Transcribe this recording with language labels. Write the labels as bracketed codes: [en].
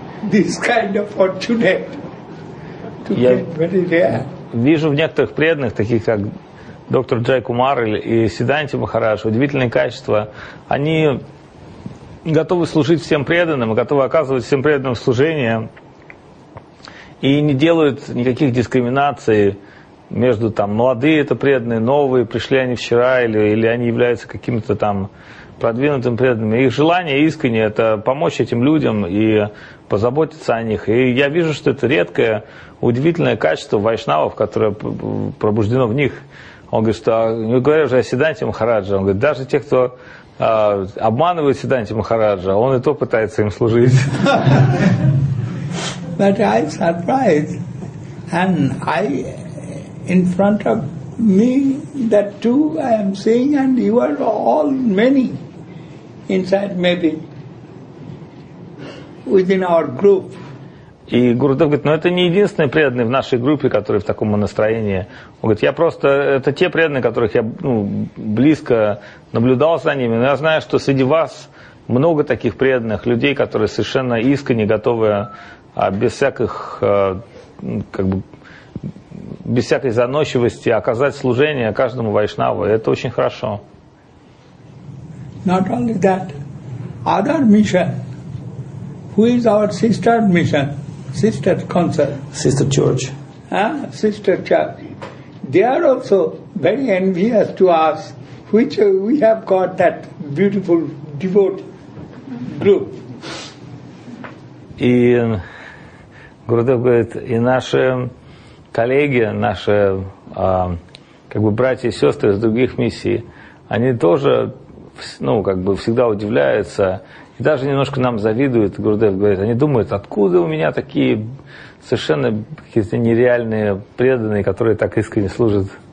[en] This kind of opportunity to get very rare. [ru] Вижу в некоторых преданных, таких как доктор Джайкумар и Сиданти Махарадж, удивительные качества. Они готовы служить всем преданным, готовы оказывать всем преданным служение и не делают никаких дискриминаций между там молодые это преданные, новые, пришли они вчера или они являются какими-то там продвинутым преданным. Их желание искренне – это помочь этим людям и позаботиться о них. И я вижу, что это редкое, удивительное качество вайшнавов, которое пробуждено в них. Он говорит, что, не говоря уже о Сиданте Махарадже, он говорит, даже те, кто обманывает Сиданте Махараджа, он и то пытается им служить. [en] But I surprised, and I, in front of me, that too I am seeing, and you are all many. Inside maybe within our group. [ru] И Гурудев говорит, это не единственные преданные в нашей группе, которые в таком настроении. Он говорит, я просто это те преданные, которых я близко наблюдал за ними. Но я знаю, что среди вас много таких преданных людей, которые совершенно искренне готовы без всякой заносчивости оказать служение каждому вайшнаву. Это очень хорошо. [en] Not only that, other mission, who is our sister mission, sister concert. Sister church. Sister church. They are also very envious to us, which we have got that beautiful devote group. [ru] И Гурудев говорит, и наши коллеги, наши братья и сестры из других миссий, они тоже всегда удивляются и даже немножко нам завидуют. Гурудев говорит, они думают, откуда у меня такие совершенно какие-то нереальные преданные, которые так искренне служат.